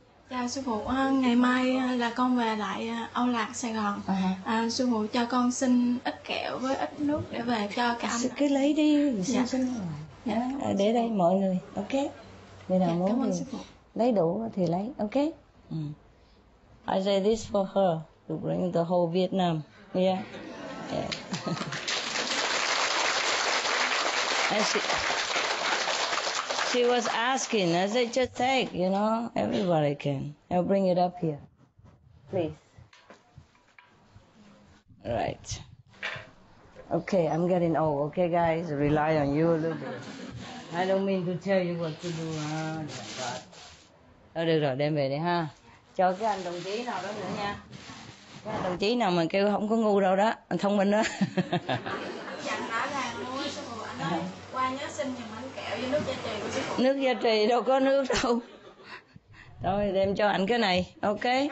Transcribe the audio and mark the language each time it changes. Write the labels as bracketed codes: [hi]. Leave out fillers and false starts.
[vi] Dạ sư phụ, ngày mai là con về lại Âu Lạc Sài Gòn. Sư phụ cho con xin ít kẹo với ít nước để về cho cả anh. Cứ lấy đi. Dạ. Dạ. Để đây mọi người. Ok. Người nào muốn thì lấy đủ thì lấy. [en] Ok. I say this for her to bring the whole Vietnam. Yeah. Yeah. And she was asking, I said, just take, you know, everybody can. I'll bring it up here. Please. Right. Okay, I'm getting old. Okay, guys, rely on you a little bit. I don't mean to tell you what to do. [vi] Được rồi, đem về đi ha. Cho cái anh đồng chí nào đó nữa nha. Cái anh đồng chí nào mà kêu không có ngu đâu đó, anh thông minh đó. Nước gia trì đâu có nước đâu. Thôi đem cho ảnh cái này. Ok.